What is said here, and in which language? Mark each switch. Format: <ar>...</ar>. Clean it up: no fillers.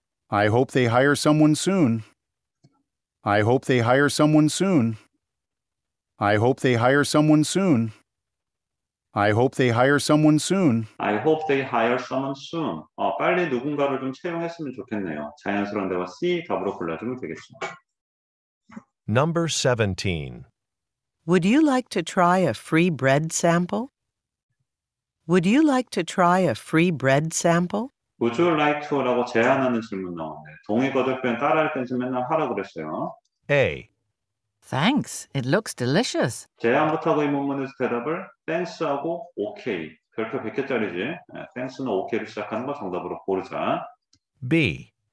<en>I hope they hire someone soon. I hope they hire someone soon. I hope they hire someone soon. I hope they hire someone soon. I hope they hire someone soon.</en> <ko>어, 빨리 누군가를 좀 채용했으면 좋겠네요. 자연스러운 대화 C 답으로 골라주면 되겠죠.</ko> <en>Number 17. Would you like to try a free bread sample? Would you like to try a free bread sample? Would you like to</en> <ko>라고 제안하는 질문 나오네. 동의거절 표현 따라할 때는 맨날 하라 그랬어요.</ko> <en>A. Thanks. It looks delicious.</en> <ko>제안부터 의문문에서 대답을 thanks하고 okay. 별표 100개짜리지. thanks는 okay를 시작하는 거 정답으로 고르자.</ko> <en>B.</en>